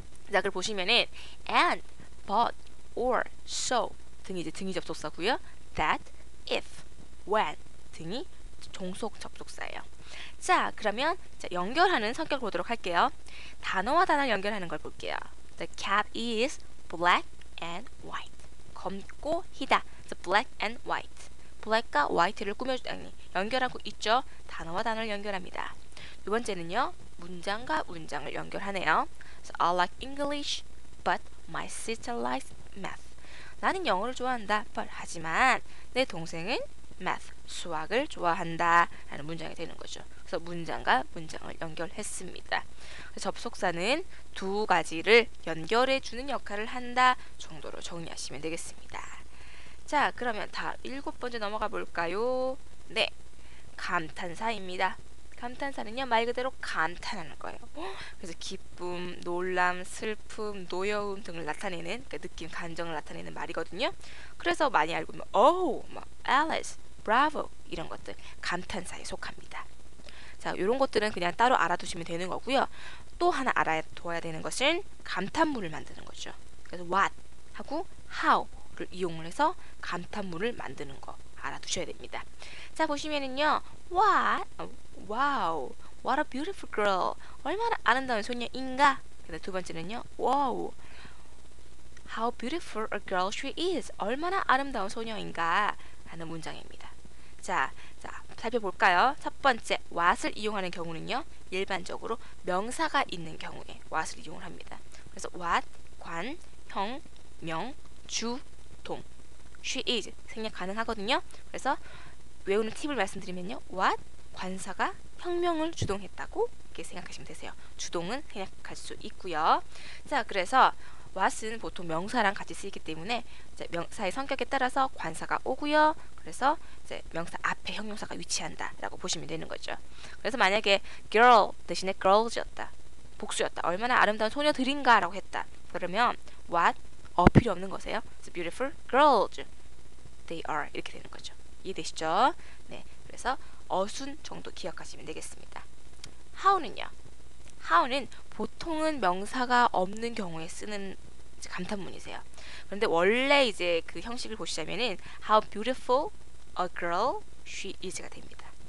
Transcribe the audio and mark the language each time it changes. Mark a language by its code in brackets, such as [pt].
[ko] 자, 그걸 보시면은 and, but, or, so 등이 이제 등위 접속사고요. that, if, when 등이 종속 접속사예요. 자, 그러면 연결하는 성격을 보도록 할게요. 단어와 단어를 연결하는 걸 볼게요. [en] The cat is black and white. [ko] 검고 희다. [en] The black and white. [ko] black과 white를 꾸며주, 아니, 연결하고 있죠? 단어와 단어를 연결합니다. 두 번째는요, 문장과 문장을 연결하네요. [en] So I like English, but my sister likes math. [ko] 나는 영어를 좋아한다. But 하지만 내 동생은 math, 수학을 좋아한다. 라는 문장이 되는 거죠. 그래서 문장과 문장을 연결했습니다. 접속사는 두 가지를 연결해 주는 역할을 한다 정도로 정리하시면 되겠습니다. 자, 그러면 다 일곱 번째 넘어가 볼까요? 네, 감탄사입니다. 감탄사는요, 말 그대로 감탄하는 거예요. 그래서 기쁨, 놀람, 슬픔, 노여움 등을 나타내는, 그러니까 느낌, 감정을 나타내는 말이거든요. 그래서 많이 알고 보면, 오, 막, 앨리스, 브라보, 이런 것들, 감탄사에 속합니다. 자, 이런 것들은 그냥 따로 알아두시면 되는 거고요. 또 하나 알아둬야 되는 것은 감탄문을 만드는 거죠. 그래서 what 하고 how를 이용을 해서 감탄문을 만드는 거 알아두셔야 됩니다. 자, 보시면은요. [en] Wow, what a beautiful girl. [ko] 얼마나 아름다운 소녀인가? 근데 두 번째는요. [en] Wow, how beautiful a girl she is. [ko] 얼마나 아름다운 소녀인가? 하는 문장입니다. 살펴볼까요? 첫 번째, what을 이용하는 경우는요, 일반적으로 명사가 있는 경우에 what을 이용을 합니다. 그래서 what, 관, 형, 명, 주, 동, she is 생략 가능하거든요. 그래서 외우는 팁을 말씀드리면요, what, 관사가 형명을 주동했다고 이렇게 생각하시면 되세요. 주동은 생략할 수 있고요. 자, 그래서 what은 보통 명사랑 같이 쓰이기 때문에 명사의 성격에 따라서 관사가 오고요. 그래서 이제 명사 앞에 형용사가 위치한다라고 보시면 되는 거죠. 그래서 만약에 girl 대신에 girls였다, 복수였다, 얼마나 아름다운 소녀들인가라고 했다. 그러면 what 필요 없는 거세요. [en] It's beautiful girls they are 이렇게 되는 거죠. [ko] 이해되시죠? 네, 그래서 어순 정도 기억하시면 되겠습니다. How는요? How는 보통은 명사가 없는 경우에 쓰는 감탄문이세요. 그런데 원래 이제 그 형식을 보시자면은 [en] How beautiful a girl she is [ko] 가 됩니다.